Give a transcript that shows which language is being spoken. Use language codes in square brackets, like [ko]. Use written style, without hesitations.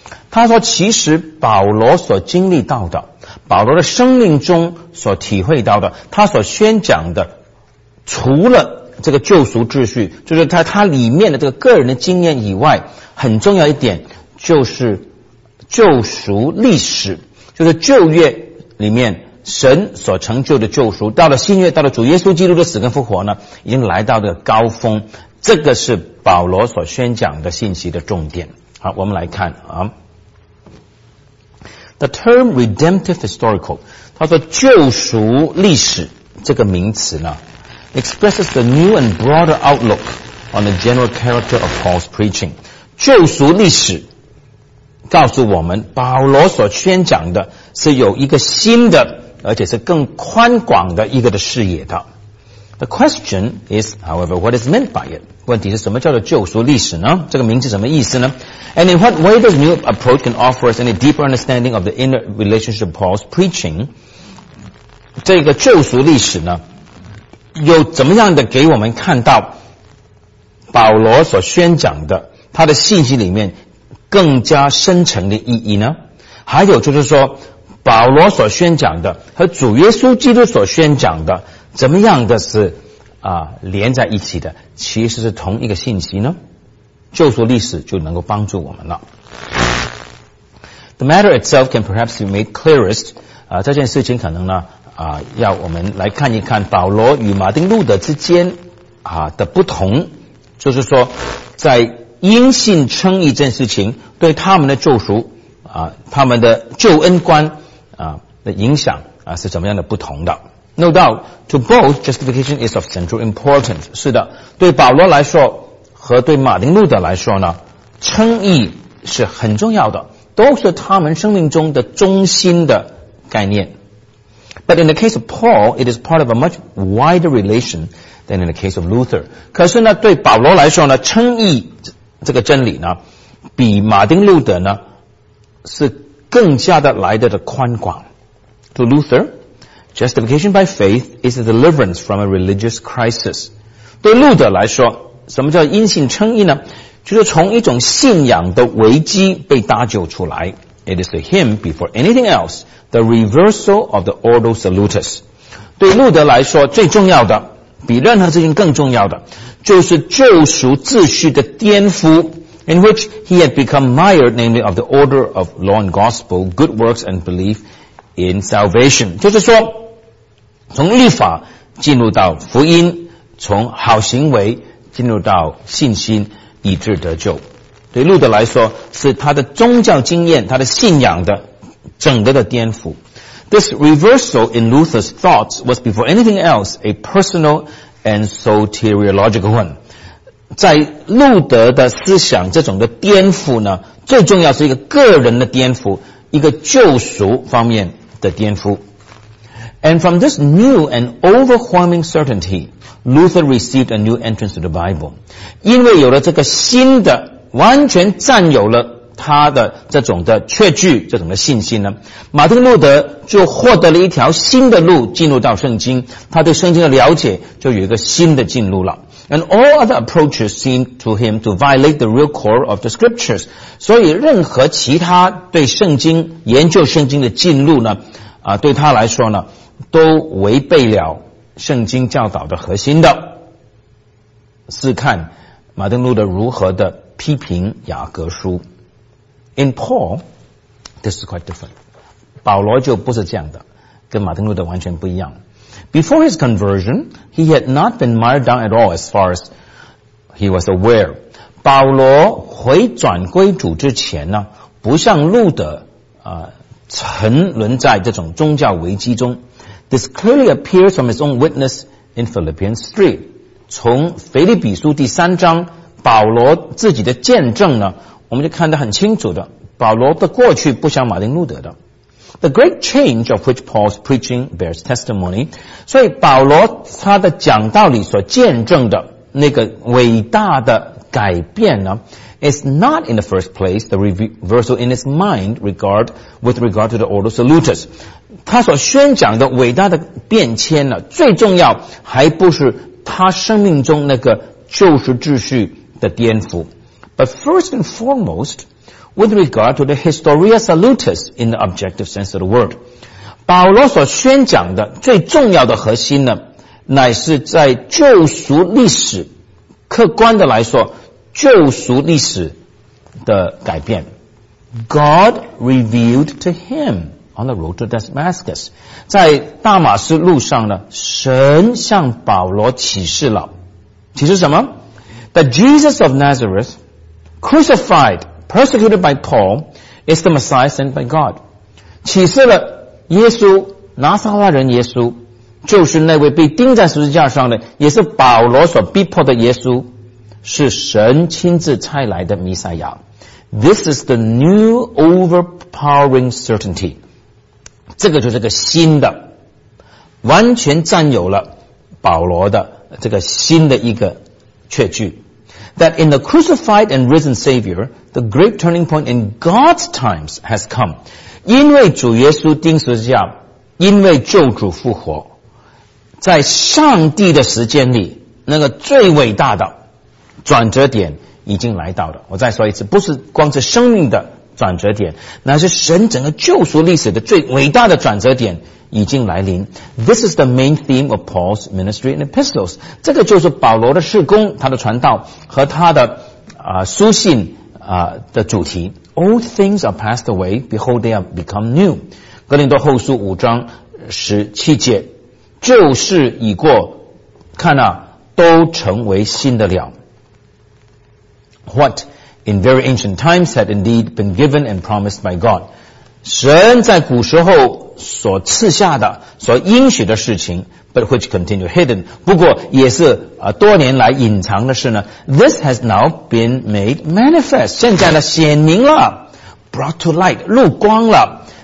[zh] 他说其实保罗所经历到的，保罗的生命中所体会到的，他所宣讲的，除了这个救赎秩序，就是在它里面的这个个人的经验以外，很重要一点就是救赎历史，就是旧约里面神所成就的救赎，到了新约，到了主耶稣基督的死跟复活呢，已经来到这个高峰。这个是保罗所宣讲的信息的重点。好，我们来看 [en] The term redemptive historical， [zh] 他说救赎历史这个名词呢， [en] expresses the new and broader outlook on the general character of Paul's preaching. [zh] 救赎历史告诉我们，保罗所宣讲的是有一个新的，而且是更宽广的一个的视野的。 [en] The question is, however, what is meant by it? [zh] 问题是什么叫做救赎历史呢？这个名字什么意思呢？ [en] And in what way this new approach can offer us any deeper understanding of the inner relationship of Paul's preaching? [zh] 这个救赎历史呢，有怎么样的给我们看到保罗所宣讲的他的信息里面更加深层的意义呢？还有就是说，保罗所宣讲的和主耶稣基督所宣讲的怎么样的是连在一起的，其实是同一个信息呢？救赎历史就能够帮助我们了。 [en] The matter itself can perhaps be made clearest [zh] 这件事情可能呢要我们来看一看保罗与马丁路德之间的不同，就是说在因信称义这件事情对他们的救赎他们的救恩观的影响是怎么样的不同的。 [en] No doubt to both justification is of central importance， [zh] 是的，对保罗来说和对马丁路德来说呢，称义是很重要的，都是他们生命中的中心的概念。 [en] But in the case of Paul, it is part of a much wider relation than in the case of Luther. [zh] 可是呢，对保罗来说呢，称义这个真理呢，比马丁路德呢，是更加的来得的宽广。 [en] To Luther, justification by faith is a deliverance from a religious crisis. [zh] 对路德来说，什么叫因信称义呢？就是从一种信仰的危机被搭救出来。 [en] It is to him, before anything else, the reversal of the ordo salutis. [zh] 对路德来说，最重要的，比任何事情更重要的，就是救赎秩序的颠覆， [en] in which he had become mired, namely of the order of law and gospel, good works and belief in salvation. [zh] 就是说，从律法进入到福音，从好行为进入到信心，以致得救。对路德来说，是他的宗教经验，他的信仰的整个的颠覆。 [en] This reversal in Luther's thoughts was before anything else a personal and soteriological one. [zh] 在路德的思想这种的颠覆呢，最重要是一个个人的颠覆，一个救赎方面的颠覆。 [en] And from this new and overwhelming certainty, Luther received a new entrance to the Bible. [zh] 因为有了这个新的，完全占有了他的这种的确据，这种的信心呢，马丁路德就获得了一条新的路进入到圣经，他对圣经的了解就有一个新的进入了。 [en] And all other approaches seem to him to violate the real core of the scriptures. [zh] 所以任何其他对圣经研究圣经的进入呢、对他来说呢都违背了圣经教导的核心的。试看马丁路德如何的批评雅各书。 [en] In Paul, this is quite different. [zh] 保罗就不是这样的，跟马丁路德完全不一样。 [en] Before his conversion, he had not been mired down at all as far as he was aware. [zh] 保罗回转归主之前呢，不像路德、沉沦在这种宗教危机中。 [en] This clearly appears from his own witness in Philippians 3. [zh] 从腓立比书第三章保罗自己的见证呢，我们就看得很清楚的，保罗的过去不像马丁路德的。 [en] The great change of which Paul's preaching bears testimony. [zh] 所以保罗他的讲道里所见证的那个伟大的改变呢， [en] is not in the first place the reversal in his mind with regard to the Ordo Salutis. [zh] 他所宣讲的伟大的变迁呢，最重要还不是他生命中那个旧时秩序的颠覆。 [en] But first and foremost,with regard to the historia salutis in the objective sense of the word. [zh] 保罗所宣讲的最重要的核心呢，乃是在救赎历史，客观的来说，救赎历史的改变。 [en] God revealed to him on the road to Damascus. [zh] 在大马士路上呢，神向保罗启示了。启示什么？ [en] That Jesus of Nazareth, crucified,persecuted by Paul, is the Messiah sent by God. [zh] 启示了耶稣，拿撒勒人耶稣，就是那位被钉在十字架上的，也是保罗所逼迫的耶稣，是神亲自差来的弥赛亚。 [en] This is the new overpowering certainty. [zh] 这个就是个新的，完全占有了保罗的这个新的一个确据。 [en] That in the crucified and risen Savior, the great turning point in God's times has come. [zh] 因为主耶稣钉十字架，因为救主复活，在上帝的时间里，那个最伟大的转折点已经来到了。我再说一次，不是光是生命的转折点，那是神整个救赎历史的最伟大的转折点已经来临。 [en] This is the main theme of Paul's ministry and epistles. [zh] 这个就是保罗的事工，他的传道和他的、书信、的主题。 [en] Old things are passed away, behold they have become new. [zh] 哥林多后书五章十七节，旧事已过，看啊，都成为新的了。 [en] What in very ancient times had indeed been given and promised by God. [zh] 神在古时候所赐下的所应许的事情 [en] but which continue hidden [zh] 不过也是、多年来隐藏的事呢 [en] This has now been made manifest [zh] 现在呢显明了 [en] brought to light [zh] 露光了、